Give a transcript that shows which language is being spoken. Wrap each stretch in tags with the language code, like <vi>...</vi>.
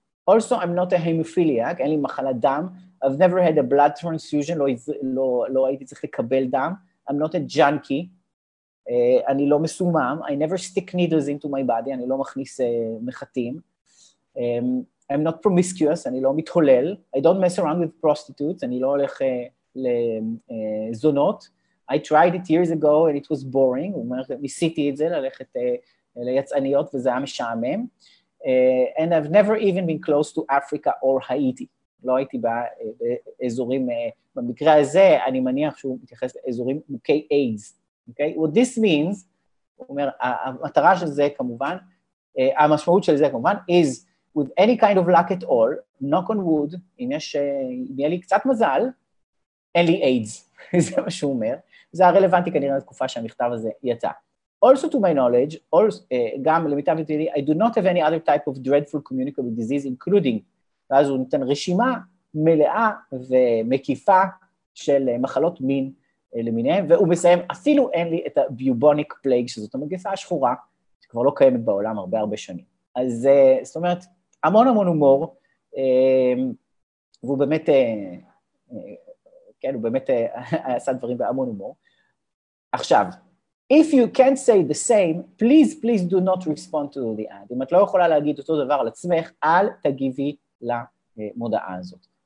<en>Also, I'm not a hemophiliac,</en> <he>אין לי מחלת דם.</he> <en>I've never had a blood transfusion,</en> <he>לא הייתי צריך לקבל דם.</he> <en>I'm not a junkie.</en> <he>אני לא מסומם.</he> <en>I never stick needles into my body,</en> <he>אני לא מכניס מחתים.</he> <en>I'm not promiscuous,</en> <he>אני לא מתחולל.</he> <en>I don't mess around with prostitutes,</en> <he>אני לא הולך לזונות.</he> <en>I tried it years ago and it was boring.</en> <he>הוא אומר, ניסיתי את זה, ללכת ליצעניות וזה היה משעמם.</he> <en>And I've never even been close to Africa or Haiti.</en> <he>לא הייתי באזורים, במקרה הזה, אני מניח שהוא מתייחס לאזורים מוכי AIDS. Okay?</he> <en>What this means,</en> <he>הוא אומר, המטרה של זה כמובן, המשמעות של זה כמובן,</he> <en>is with any kind of luck at all, knock on wood,</en> <he>אם יש, אם יהיה לי קצת מזל, אין לי AIDS. זה מה שהוא אומר. זה הרלוונטי כנראה לתקופה שהמכתב הזה יצא.</he> <en>Also to my knowledge,</en> <he>גם למיטב ידיעתי,</he> <en>I do not have any other type of dreadful communicable disease, including,</en> <he>ואז הוא נותן רשימה מלאה ומקיפה של מחלות מין למיניהם, והוא מסיים, אפילו אין לי את ה-bubonic plague, שזאת המגפה השחורה, שכבר לא קיימת בעולם הרבה הרבה שנים. אז זאת אומרת, המון המון הומור, והוא באמת, כן, הוא באמת עשה דברים בהמון הומור.</he> <en>עכשיו, If you can't say the same, please, please do not respond to the ad.</en> <he>אם את לא יכולה להגיד אותו דבר על עצמך, אל תגיבי למודעה הזאת.</he>